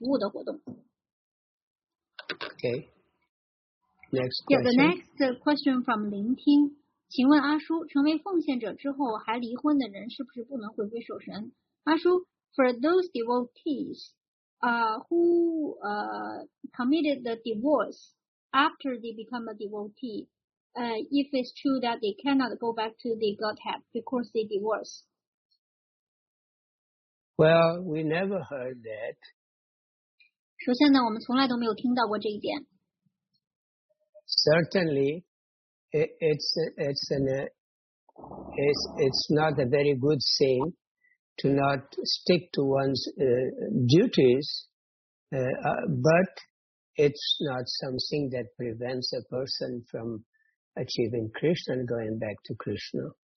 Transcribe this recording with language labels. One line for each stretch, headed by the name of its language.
Chinese: 那么在这个如果有奉献者聆听我们周五晚上的奉爱的甘露的这个课程的话呢，已经知道我们其实已经提到了不同的这种虔诚活动，因为有的虔诚活动呢，它是可以帮助我们得到物质的解脱的这种虔诚活动，而这里的这个物质的这里边的这个虔诚活动呢，指的是有益于奉爱服务的活动。
English: Okay. Next question.
Chinese: 请问阿叔，成为奉献者之后还离婚的人是不是不能回归守神？
English: 阿叔, for those devotees who committed the divorce after they become a devotee, if it's true that they cannot go back to the Godhead because they divorce. Well, we never heard that.
Chinese: 首先呢，我们从来都没有听到过这一点。
English: Certainly. It's not a very good thing to not stick to one's duties, but it's not something that prevents a person from achieving Krishna and going back to Krishna.